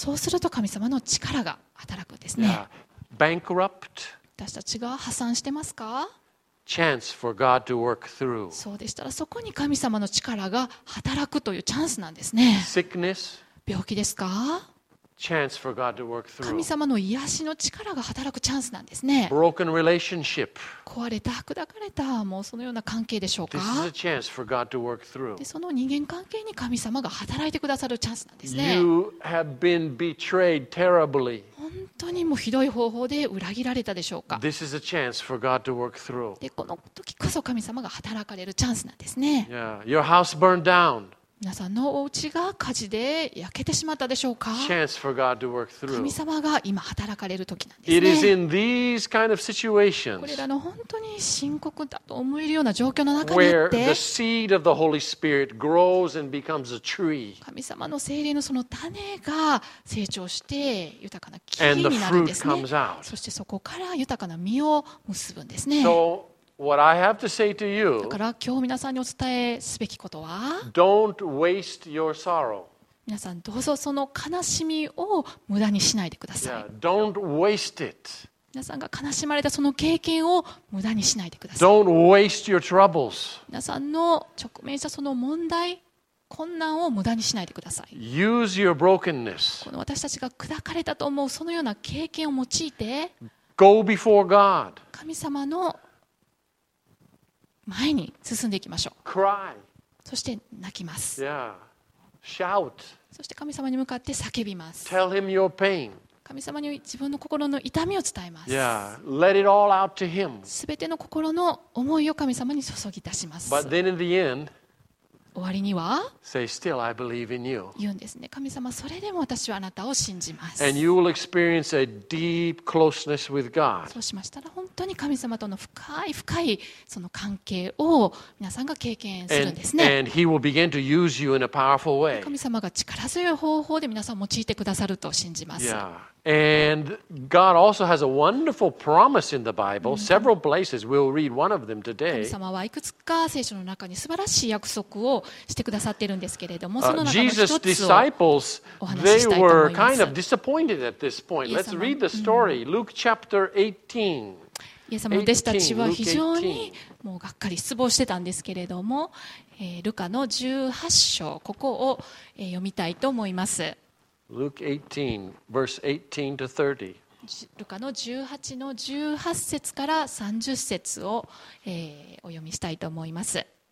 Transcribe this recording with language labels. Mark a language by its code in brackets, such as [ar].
[ja] そうすると神様の力が働くんですね。 [en] Bankrupt. [ja] 私たちが破産してますか？ [en] Chance for God to work through. [ja] そうでしたらそこに神様の力が働くというチャンスなんですね。 [en] Sickness. [ja] 病気ですか？ [en] Chance for God to work through. [ja] 神様の癒しの力が働くチャンスなんですね。 [en] Broken relationship. [ja] 壊れた砕かれたもうそのような関係でしょうか？ [en] This is a chance for God to work through. [ja] でその人間関係に神様が働いてくださるチャンスなんですね。 [en] You have been betrayed terribly. [ja] 本当にもうひどい方法で裏切られたでしょうか。 [en] This is a chance for God to work through. [ja] でこの時こそ神様が働かれるチャンスなんですね。 [en] Yeah. Your house burned down. [ja] 皆さんのお家が火事で焼けてしまったでしょうか。 [en] Chance for God to work through. [ja] 神様が今働かれる時なんですね。 [en] It is in these kind of situations. [ja] これらの本当に深刻だと思えるような状況の中にい [en] て、Where the seed of the Holy Spirit grows and becomes a tree. [ja] 神様の聖霊のその種が成長して豊かな木になるんですね。 [en] And the fruit comes out. [ja] そしてそこから豊かな実を結ぶんですね。 [en] So,What I have to say to you, [ja] だから今日皆さんにお伝えすべきことは、 [en] Don't waste your sorrow. [ja] 皆さんどうぞその悲しみを無駄にしないでください。 [en] Yeah, don't waste it. [ja] 皆さんが悲しまれたその経験を無駄にしないでください。 [en] Don't waste your troubles. [ja] 皆さんの直面したその問題、困難を無駄にしないでください。 [en] Use your brokenness. [ja] この私たちが砕かれたと思うそのような経験を用いて、 [en] Go before God. [ja] 神様の前に進んでいきましょう。 [en] Cry. [ja] そして泣きます。 [en] Yeah. Shout. [ja] そして神様に向かって叫びます。 [en] Tell him your pain. [ja] 神様に自分の心の痛みを伝えます。 [en] Yeah. Let it all out to him. [ja] 全ての心の思いを神様に注ぎ出します。 [en] But then in the end, [ja] 終わりには [en] Say, still, I believe in you. [ja] 言うんですね。神様、それでも私はあなたを信じます。 [en] And you will experience a deep closeness with God. [ja] そうしましたら、本当に神様との深い深いその関係を皆さんが経験するんですね。 [en] And he will begin to use you in a powerful way. [ja] 神様が力強い方法で皆さんを用いてくださると信じます。 [en] Yeah. And God also has a wonderful promise in the Bible. Several places. We'll read one of them today. [ja] 神様はいくつか聖書の中に素晴らしい約束をしてくださっているんですけれども、その中の一つをお話ししたいと思います。 [en] They were kind of disappointed at this point. Let's read the story. Luke chapter 18. [ja] イエス様の弟子たちは非常にもうがっかり失望してたんですけれども、ルカの18章ここを読みたいと思います。 [en] Luke 18, verse 18 to 30. [ja] ルカの18の18節から30節を、お読みしたいと思います。